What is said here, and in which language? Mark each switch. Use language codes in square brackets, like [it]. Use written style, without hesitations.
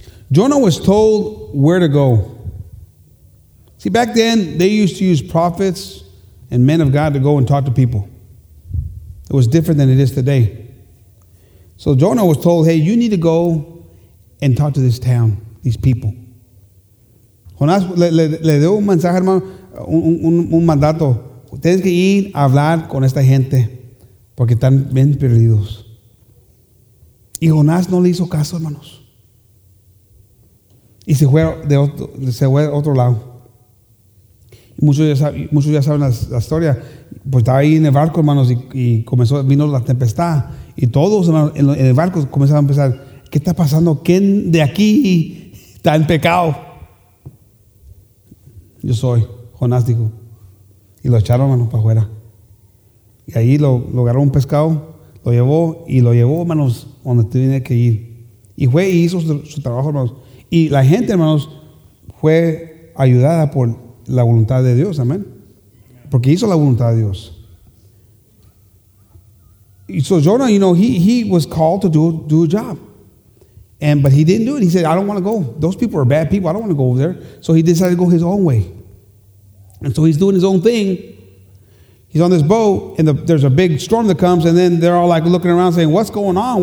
[en] Jonah was told where to go. See, back then, they used to use prophets and men of God to go and talk to people. It was different than it is today. So Jonah was told, hey, you need to go and talk to this town, these people. [es] Jonás le dio un mensaje, hermano, un mandato. Tienes que ir a hablar con esta gente porque están bien perdidos. Y Jonás no le hizo caso, hermanos. Y se fue a otro lado. Muchos ya saben la historia. Pues estaba ahí en el barco, hermanos, y vino la tempestad. Y todos, hermanos, en el barco comenzaron a pensar, ¿qué está pasando? ¿Quién de aquí está en pecado? Yo soy, Jonás dijo. Y lo echaron, hermanos, para afuera. Y ahí lo agarró un pescado, lo llevó, hermanos, donde tenía que ir. Y fue y hizo su trabajo, hermanos. Y la gente, hermanos, fue ayudada por la voluntad de Dios, amén. Porque hizo la voluntad de Dios. [en] Y so Jonah, you know, he was called to do a job. But he didn't do it. He said, I don't want to go. Those people are bad people. I don't want to go over there. So he decided to go his own way. And so he's doing his own thing. He's on this boat, and there's a big storm that comes, and then they're all like looking around saying, what's going on?